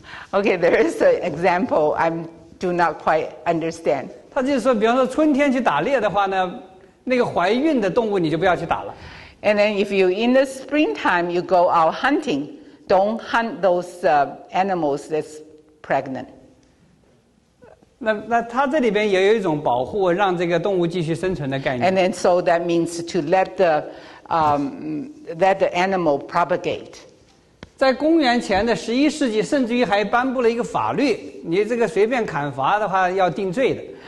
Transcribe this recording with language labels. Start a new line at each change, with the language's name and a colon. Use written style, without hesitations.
English: Okay, there is an example I do not quite understand.
Chinese: 他就是说，比方说春天去打猎的话呢，那个怀孕的动物你就不要去打了。
English: And then if you in the springtime you go out hunting, don't hunt those animals that's pregnant.
Chinese: 那它这里边也有一种保护，让这个动物继续生存的概念。
English: And then so that means to let the animal propagate.
Chinese: 在公元前的十一世纪，甚至于还颁布了一个法律，你这个随便砍伐的话要定罪的。